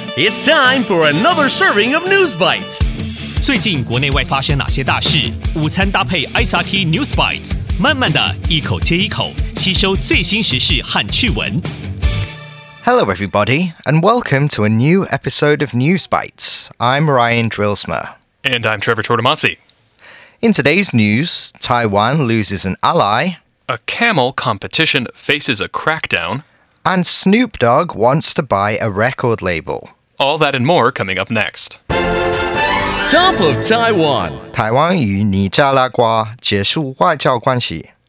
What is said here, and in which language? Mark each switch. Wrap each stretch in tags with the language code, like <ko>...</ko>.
<en>It's time for another serving of News Bites.</en> <zh>最近国内外发生哪些大事？午餐搭配 ISRT News Bites， 慢慢的一口接一口，吸收最新时事和趣闻。</zh> <en>Hello, everybody, and welcome to a new episode of News Bites. I'm Ryan Drillsma. And I'm Trevor Tortomasi. In today's news, Taiwan loses an ally. A camel competition faces a crackdown. And Snoop Dogg wants to buy a record label. All that and more coming up next. Top of Taiwan.</en> <zh>台湾与尼加拉瓜结束外交关系。</zh>